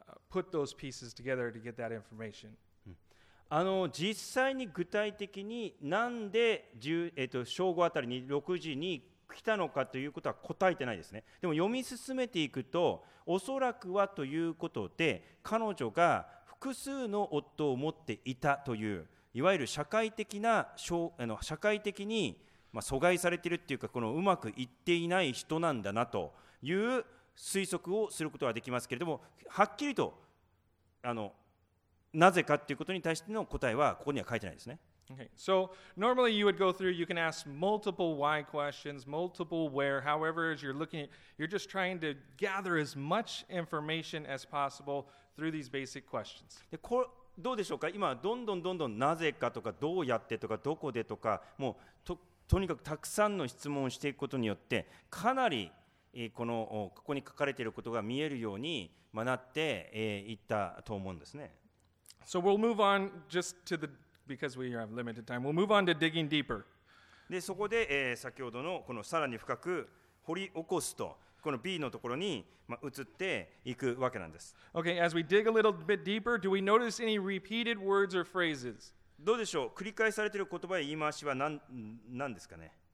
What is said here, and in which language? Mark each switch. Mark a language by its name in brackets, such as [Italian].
[English] put those pieces together to get that information. [Japanese] 実際に具体的になんで正午あたりに6時に来たのかということは答えてないですね。でも読み進めていくと、おそらくはということで、彼女が複数の夫を持っていたといういわゆる社会的な社会的に、まあ、阻害されているというか、このうまくいっていない人なんだなという推測をすることはできますけれども、はっきりとなぜかということに対しての答えはここには書いてないですね。 [English] Okay. So normally you would go through, you can ask multiple why questions, multiple where, however, as you're looking, you're just trying to gather as much information as possible through these basic questions. [Japanese] でこれどうでしょうか。今どんどんどんどんなぜかとかどうやってとかどこでとか、もうとにかくたくさんの質問をしていくことによってかなりここに書かれていることが見えるように学っていったと思うんですね。 [English] So we'll move on just to the, because we have limited time, we'll move on to digging deeper. [Japanese] で、そこで、先ほどのこのさらに深く掘り起こすと、この B のところに、ま、移っていくわけなんです。 [English] Okay, as we dig a little bit deeper, do we notice any repeated words or phrases? [Japanese] どうでしょう、繰り返されている言葉や言い回しは何ですかね。